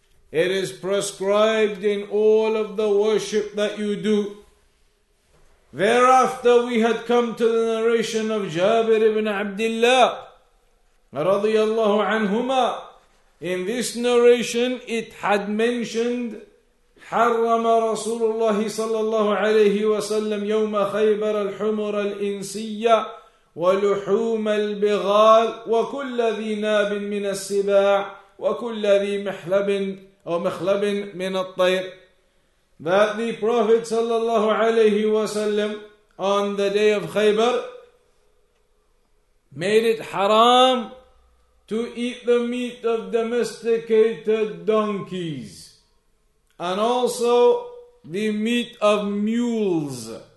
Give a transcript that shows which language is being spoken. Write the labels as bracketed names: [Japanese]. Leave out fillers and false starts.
[English] It is prescribed in all of the worship that you do. Thereafter, we had come to the narration of Jabir ibn Abdullah radiyallahu anhuma. In this narration, it had mentioned [Arabic] حرم رسول الله صلى الله عليه وسلم يوم خيبر الحمر الإنسية ولحوم البغال وكل ذي ناب من السباع وكل ذي محلب أو مخلب من الطير. [English] That the Prophet [Arabic] صلى الله عليه وسلم [English] on the day of Khaybar made it haram to eat the meat of domesticated donkeys and also the meat of mules